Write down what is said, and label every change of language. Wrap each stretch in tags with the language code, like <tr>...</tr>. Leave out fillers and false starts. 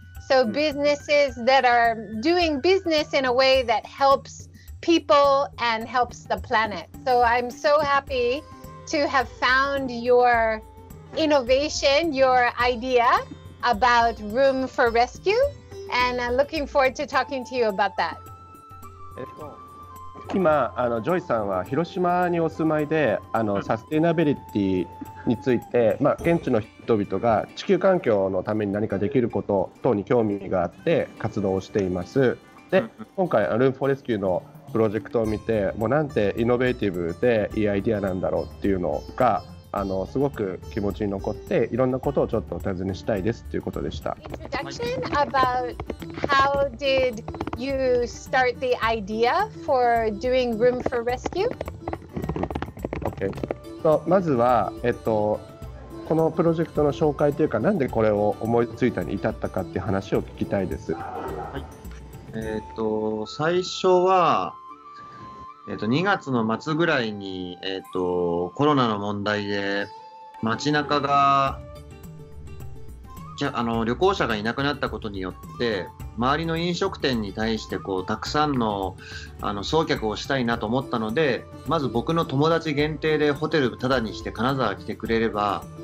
<en>So businesses that are doing business in a way that helps people and helps the planet. So I'm so happy to have found your innovation, your idea about Room4Rescue. And I'm looking forward to talking to you about that. Let's go.</en> <ja>今あのジョイさんは広島にお住まいであのサステナビリティについて、まあ、現地の人々が地球環境のために何かできること等に興味があって活動をしています。で今回ルームフォレスキューのプロジェクトを見てもうなんてイノベーティブでいいアイデアなんだろうっていうのがあのすごく気持ちに残っていろんなことをちょっとお尋ねしたいですということでした。</ja> <en>Introduction about how did you start the idea for doing Room4Rescue? Okay.</en> <ja>So, まずは、このプロジェクトの紹介というかなんでこれを思いついたに至ったかっていう話を聞きたいです。はい。最初は2月の末ぐらいに、コロナの問題で街中がじゃあの旅行者がいなくなったことによって周りの飲食店に対してこうたくさん の送客をしたいなと思ったのでまず僕の友達限定でホテルタダにして金沢来てくれれば</ja>